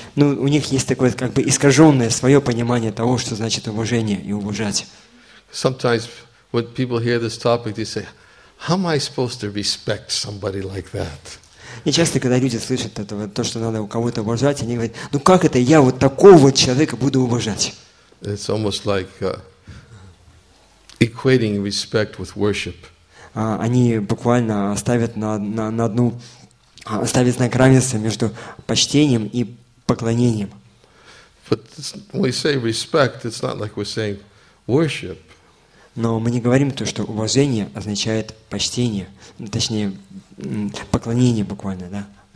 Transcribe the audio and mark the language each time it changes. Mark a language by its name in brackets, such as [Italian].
[Russian] Ну, у них есть такое, как бы, искаженное свое понимание того, что значит уважение и уважать. [English] Sometimes when people hear this topic, they say, "How am I supposed to respect somebody like that?" [Russian] И часто, когда люди слышат этого, то, что надо у кого-то уважать, они говорят, ну как это я вот такого человека буду уважать? [English] It's almost like equating respect with worship. [Russian] Они буквально ставят на одну, ставят знак равенства между почтением и поклонением. [English] But when we say respect, it's not like we're saying worship. [Russian] Но мы не говорим то, что уважение означает почтение, точнее, поклонение буквально, да?